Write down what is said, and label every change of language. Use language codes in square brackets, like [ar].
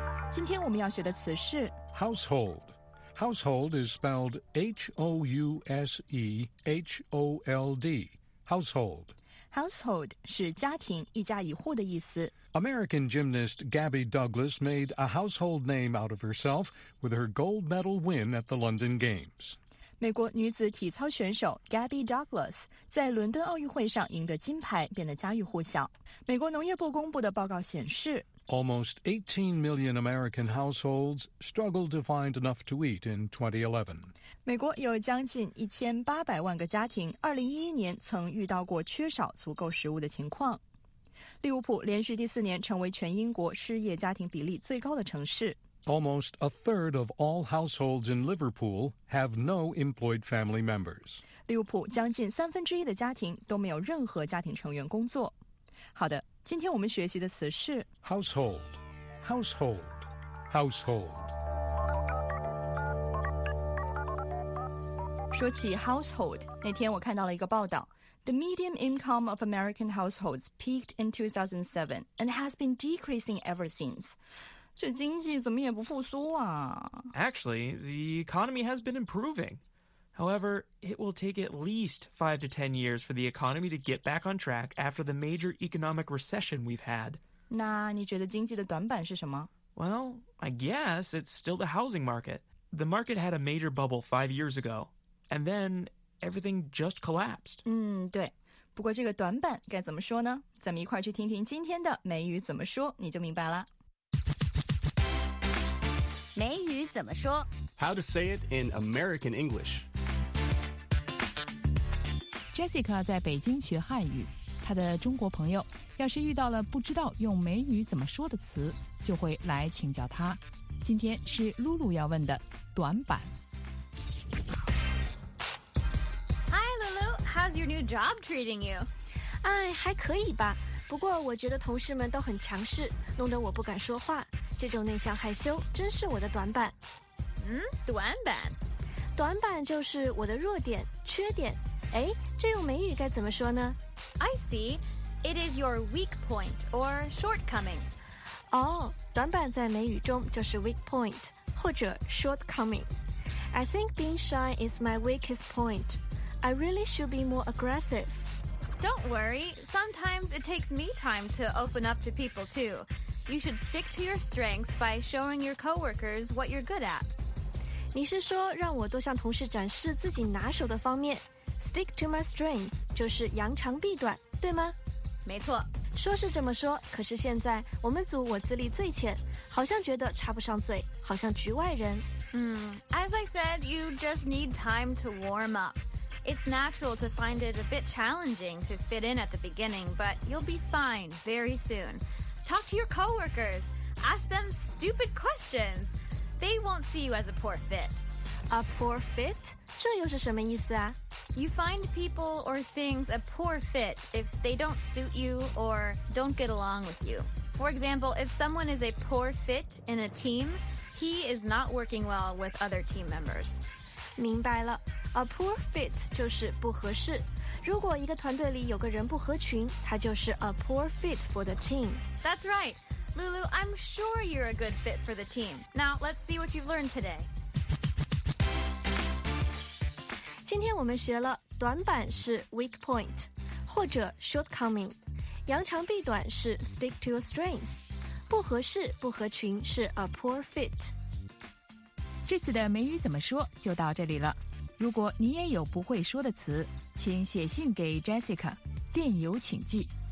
[zh] 今天我们要学的词是 [en] Household. Household is spelled H-O-U-S-E-H-O-L-D. Household. [zh] Household 是家庭一家一户的意思。 [en] American gymnast Gabby Douglas made a household name out of herself with her gold medal win at the London Games. [zh] 美国女子体操选手 Gabby Douglas 在伦敦奥运会上赢得金牌变得家喻户晓。美国农业部公布的报告显示 [en] Almost 18 million American households struggled to find enough to eat in 2011. [zh] 美国有将近1800万个家庭2011年曾遇到过缺少足够食物的情况。利物浦连续第四年成为全英国失业家庭比例最高的城市。 [en] Almost a third of all households in Liverpool have no employed family members. [zh] 利物浦将近三分之一的家庭都没有任何家庭成员工作。好的，今天我们学习的词是 [en] Household, household, household. [zh] 说起 household, 那天我看到了一个报道。 [en] The median income of American households peaked in 2007 and has been decreasing ever since. [zh] 这经济怎么也不复苏啊 [en] Actually, the economy has been improving. However, it will take at least 5 to 10 years for the economy to get back on track after the major economic recession we've had. [zh] 那你觉得经济的短板是什么 [en] Well, I guess it's still the housing market. The market had a major bubble 5 years ago, and then everything just collapsed. [zh] 对。不过这个短板该怎么说呢咱们一块去听听今天的美语怎么说你就明白了。美语怎么说 [en] How to say it in American English. [zh] Jessica 在北京学汉语，她的中国朋友要是遇到了不知道用美语怎么说的词，就会来请教她。今天是露露要问的短板。 [en] Hi, Lulu. How's your new job treating you? [zh] 哎，还可以吧。不过我觉得同事们都很强势，弄得我不敢说话。这种内向害羞真是我的短板。短板。短板就是我的弱点缺点。哎这用美语该怎么说呢 [en] ?I see, it is your weak point or shortcoming. [zh] 哦短板在美语中就是 [en] weak point, [zh] 或者 shortcoming. [en] I think being shy is my weakest point. I really should be more aggressive. Don't worry, sometimes it takes me time to open up to people too. You should stick to your strengths by showing your coworkers what you're good at. [zh] 你是说让我多向同事展示自己拿手的方面 ? [en] Stick to my strengths [zh] 就是扬长避短,对吗? 没错。说是这么说,可是现在我们组我资历最浅,好像觉得插不上嘴,好像局外人。 [en] As I said, you just need time to warm up. It's natural to find it a bit challenging to fit in at the beginning, but you'll be fine very soon. Talk to your coworkers. Ask them stupid questions. They won't see you as a poor fit. A poor fit? [zh] 这又是什么意思啊? [en] You find people or things a poor fit if they don't suit you or don't get along with you. For example, if someone is a poor fit in a team, he is not working well with other team members. [zh] 明白了。 [en] A poor fit [zh] 就是不合适。如果一个团队里有个人不合群，他就是 [en] a poor fit for the team. That's right. Lulu, I'm sure you're a good fit for the team. Now, let's see what you've learned today. [zh] 今天我们学了短板是 [en] weak point, [zh] 或者 shortcoming, 扬长避短是 [en] stick to your strengths, [zh] 不合适不合群是 [en] a poor fit. [zh] 这次的美语怎么说就到这里了。如果你也有不会说的词，请写信给 Jessica， 电邮请寄